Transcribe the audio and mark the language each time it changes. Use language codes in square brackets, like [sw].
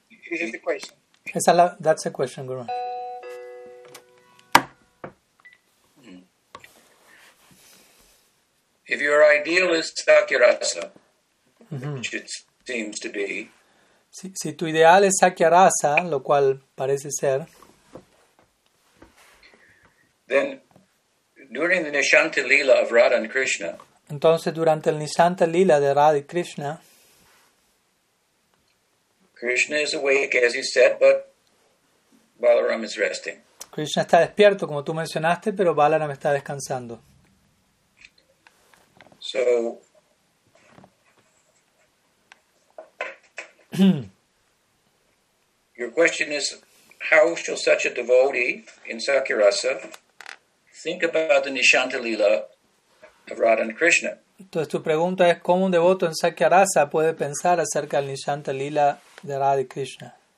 [en] This is the question. That's a question, Guru. If your ideal is Sakyarasa, which it seems to be, [es] si tu ideal es Sakyarasa, lo cual parece ser, [en] then during the Nishanta Lila of Radha and Krishna, [es] entonces durante el Nishanta Lila de Radha y Krishna, [en] Krishna is awake, as you said, but Balaram is resting. [es] Krishna está despierto, como tú mencionaste, pero Balaram está descansando. [en] So, your question is, how shall such a devotee in Sakyarasa think about the Nishanta Lila of Radha and Krishna? [es] Entonces tu pregunta es, ¿cómo un devoto en Sakyarasa puede pensar acerca del Nishanta Lila de Radha y Krishna?